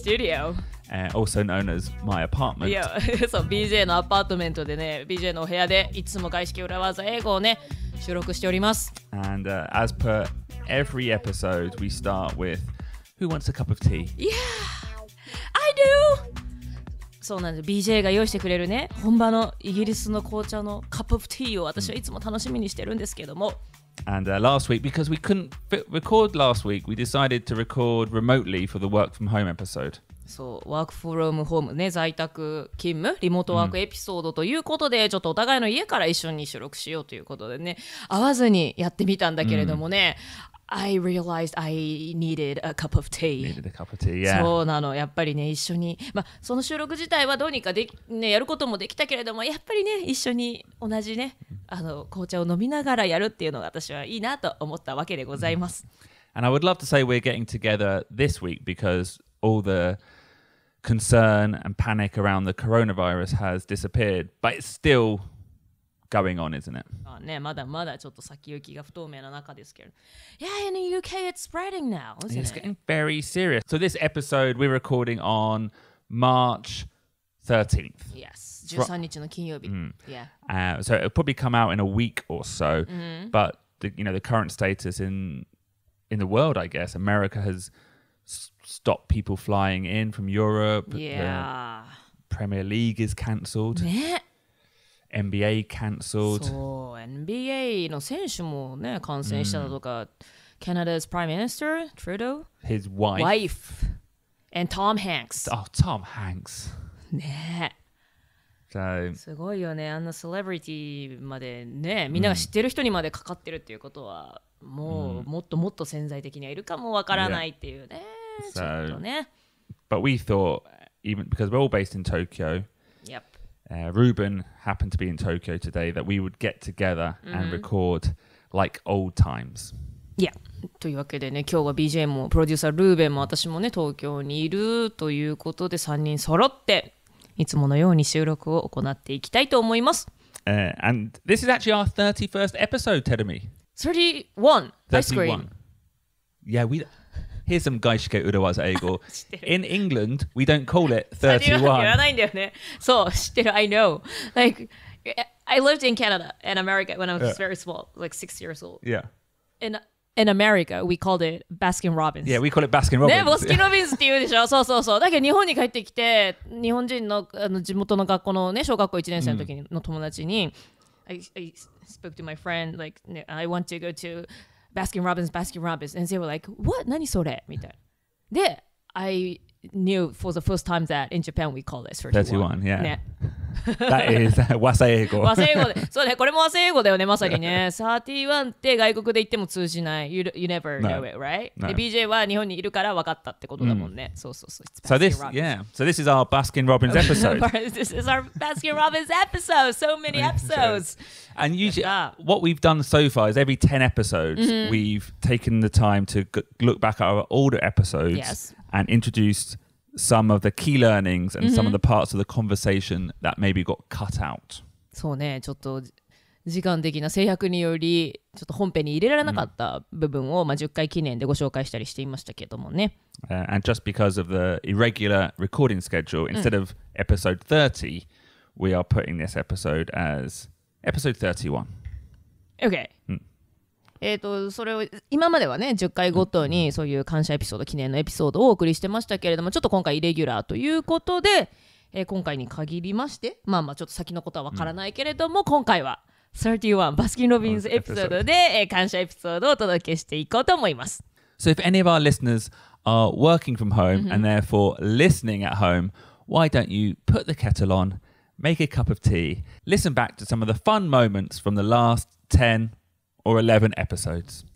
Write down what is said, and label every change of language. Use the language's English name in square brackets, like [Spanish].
[English] Studio. Also known as my apartment. [Japanese] Yeah, so BJ のアパートメントでね、BJ のお部屋でいつも外資系裏技英語をね、収録しております。 [English] And as per every episode, we start with, who wants a cup of tea? Yeah, I do! [Japanese] そうなんです、BJ が用意してくれるね、本場のイギリスの紅茶の cup of tea を私はいつも楽しみにしてるんですけども。 [English] And last week, because we couldn't record last week, we decided to record remotely for the work from home episode. [Japanese] そう、ワークフロームホームね、在宅勤務、リモートワークエピソードということで、うん、ちょっとお互いの家から一緒に収録しようということでね、会わずにやってみたんだけれどもね、うん、 [English] I realized I needed a cup of tea. Needed a cup of tea, yeah. [Japanese] そうなの、やっぱりね、一緒に、まあ、その収録自体はどうにかで、ね、やることもできたけれども、やっぱりね、一緒に同じね、あの、紅茶を飲みながらやるっていうのが私はいいなと思ったわけでございます。 [English] And I would love to say we're getting together this week because all theconcern and panic around the coronavirus has disappeared, but it's still going on, isn't it? [Japanese] Ah, ne, まだまだちょっと先行きが不透明な中ですけど。 [English] Yeah, in the UK, it's spreading now, isn't it? It's getting very serious. So this episode, we're recording on March 13th. [Japanese] Yes, 13日の金曜日.Yeah. [English] So it'll probably come out in a week or so, mm-hmm. but the, you know, the current status in the world, I guess, America has... stop people flying in from Europe. Yeah. Premier League is cancelled. [Japanese] ね。 [English] NBA cancelled. [Japanese] そう、NBA の選手もね、感染したとか、 [English] Canada's Prime Minister, Trudeau. His wife. Wife. And Tom Hanks. Oh, Tom Hanks. [Japanese] ね。 [English] So, [Japanese] すごいよね。あんなセレブリティまでね、みんなが知ってる人にまでかかってるっていうことは、もう、もっともっと潜在的にはいるかもわからないっていうね。 [English] Yeah. So, but we thought, even because we're all based in Tokyo, yep. Ruben happened to be in Tokyo today, that we would get together and record like old times. Yeah. [Japanese] というわけでね、今日は BJ もプロデューサールーベンも私もね、東京にいるということで、3人揃っていつものように収録を行っていきたいと思います。 [English] And this is actually our 31st episode, tell me. 31, ice cream. Yeah, we... Here's some 外資系裏技英語.In England, we don't call it 31. So, I know. Like, I lived in Canada and America when I was very small, like 6 years old. Yeah. In America, we called it Baskin Robbins. Yeah, we call it Baskin Robbins. [Japanese] ね、バスキンロビンスって言うでしょ。そうそうそう。だけど日本に帰ってきて、日本人の、あの、地元の学校のね、小学校1年生の時の友達に、 [English] I spoke to my friend, like, I want to go to... Baskin Robbins, Baskin Robbins. And they were like, what? [Japanese] 何それ?みたいな。 [English] で、I knew for the first time that in Japan we call this 31. 31, yeah. ね。That is 和製英語。 [Japanese] 和製英語で。そうね、これも和製英語だよね、まさにね。31って外国で言っても通じない。 [English] You never know it, right? No. [Japanese] BJ は日本にいるから分かったってことだもんね。そうそうそう。 [English] So this, yeah. So this is our Baskin Robbins episode. This is our Baskin Robbins episode. So many episodes. And usually, what we've done so far is every 10 episodes, we've taken the time to look back at our older episodes and introduced... some of the key learnings and some of the parts of the conversation that maybe got cut out. [Japanese] そうね、ちょっと時間的な制約によりちょっと本編に入れられなかった部分を、まあ、10回記念でご紹介したりしていましたけどもね。 [English] And just because of the irregular recording schedule, instead of episode 30, we are putting this episode as episode 31. Okay. [Japanese] それを今まではね10回ごとにそういう感謝エピソード記念のエピソードをお送りしてましたけれどもちょっと今回イレギュラーということで、今回に限りましてまあまあちょっと先のことはわからないけれども、今回は31バスキンロビンズエピソードで感謝エピソードをお届けしていこうと思います [English] So if any of our listeners are working from home and therefore listening at home why don't you put the kettle on make a cup of tea listen back to some of the fun moments from the last 10 or 11 episodes.